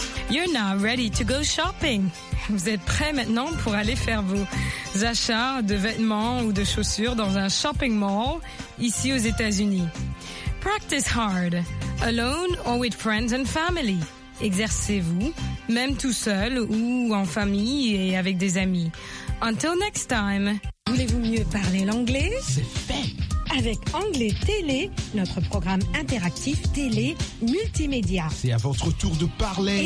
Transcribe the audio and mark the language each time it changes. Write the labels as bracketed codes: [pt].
[en] You're now ready to go shopping. [fr] Vous êtes prêts maintenant pour aller faire vos achats de vêtements ou de chaussures dans un shopping mall ici aux États-Unis. [en] Practice hard, alone or with friends and family. [fr] Exercez-vous, même tout seul ou en famille et avec des amis. [en] Until next time. [fr] Voulez-vous mieux parler l'anglais? C'est fait! Avec Anglais Télé, notre programme interactif télé multimédia. C'est à votre tour de parler.